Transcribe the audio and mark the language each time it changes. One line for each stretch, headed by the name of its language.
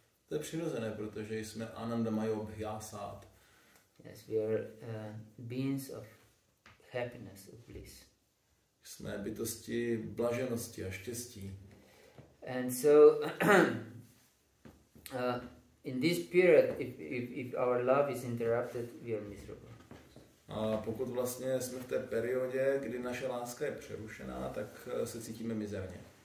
Czech: To je přirozené, protože jsme anandamayobhyasat.
English: Yes, we are beings of happiness, of bliss.
Czech: Jsme bytosti blaženosti a štěstí.
English: And so in this period if our love is interrupted, we are miserable.
Czech: A pokud vlastně jsme v té periodě, kdy naše láska je přerušená, tak se cítíme mizerně.